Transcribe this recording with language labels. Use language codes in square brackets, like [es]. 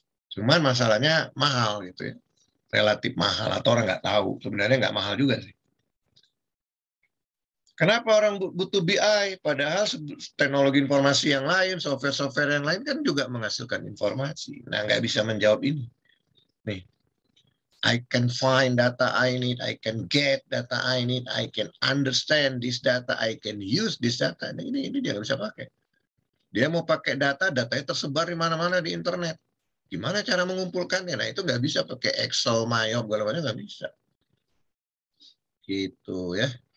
[id] Cuman masalahnya mahal gitu ya. Relatif mahal atau orang nggak tahu. Sebenarnya nggak mahal juga sih. Kenapa orang butuh BI? Padahal teknologi informasi yang lain, software-software yang lain kan juga menghasilkan informasi. Nah, nggak bisa menjawab ini. [en] Nih, I can find data I need, I can get data I need, I can understand this data, I can use this data. [id] Nah, ini dia nggak bisa pakai. Dia mau pakai data, datanya tersebar di mana-mana di internet. Gimana cara mengumpulkannya? Nah, itu nggak bisa pakai Excel, MyOp, segala-galanya nggak bisa. Gitu ya.